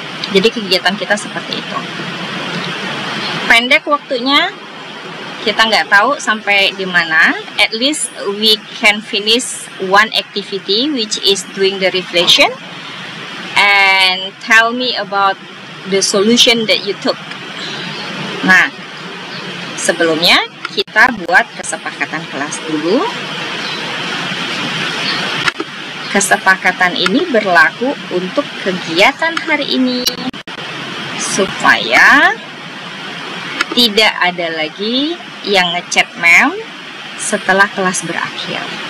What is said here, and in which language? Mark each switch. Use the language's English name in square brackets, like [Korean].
[Indonesian] Jadi kegiatan kita seperti itu. Pendek waktunya, kita nggak tahu sampai di mana. [English] At least we can finish one activity, which is doing the reflection, and tell me about the solution that you took. [Indonesian] Nah, sebelumnya kita buat kesepakatan kelas dulu. Kesepakatan ini berlaku untuk kegiatan hari ini supaya tidak ada lagi yang ngechat mem setelah kelas berakhir.